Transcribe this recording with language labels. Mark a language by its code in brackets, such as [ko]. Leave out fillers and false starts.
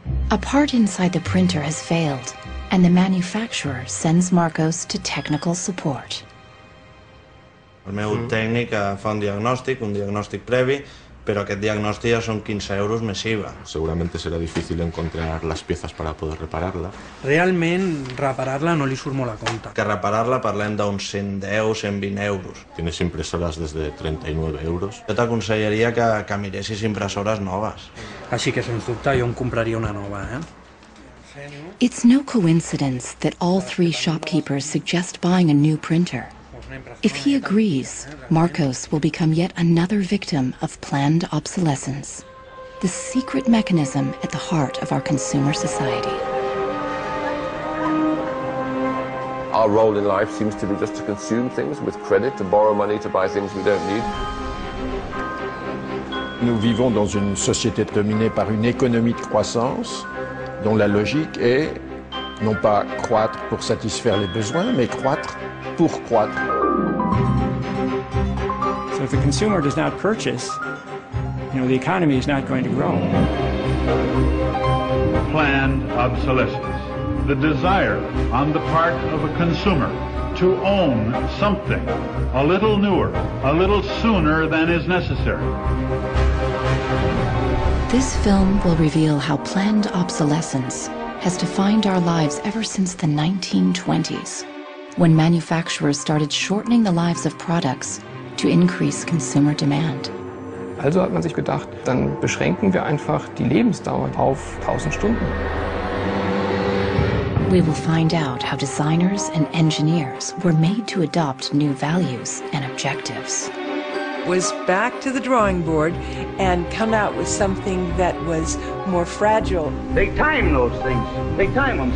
[en] A part inside the printer has failed, and the manufacturer sends Marcos to technical support. [ca] El meu tècnic fa un diagnòstic previ, però aquest diagnòstic ja són 15 euros més IVA. Segurament serà difícil encontrar les peces per a poder reparar-la. Realment, reparar-la no li surt molt a compte. Que reparar-la parlem d'uns 110-120 euros. [es] Tienes [ca] impressores des de 39 euros. Jo t'aconsellaria que miressis impressores noves. Així que, sens dubte, jo em compraria una nova, eh? [en] It's no coincidence that all three shopkeepers suggest buying a new printer. If he agrees, Marcos will become yet another victim of planned obsolescence, the secret mechanism at the heart of our consumer society. Our role in life seems to be just to consume things with credit, to borrow money to buy things we don't need. [fr] Nous vivons dans une société dominée par une économie de croissance dont la logique est non pas croître pour satisfaire les besoins, mais croître pour croître. [en] If the consumer does not purchase, you know, the economy is not going to grow. Planned obsolescence. The desire on the part of a consumer to own something a little newer, a little sooner than is necessary. This film will reveal how planned obsolescence has defined our lives ever since the 1920s, when manufacturers started shortening the lives of products to increase consumer demand. [de] Also hat man sich gedacht, dann beschränken wir einfach die Lebensdauer auf 1000 Stunden. [en] We will find out how designers and engineers were made to adopt new values and objectives. Was back to the drawing board and come out with something that was more fragile. Take time, those things. Take time them.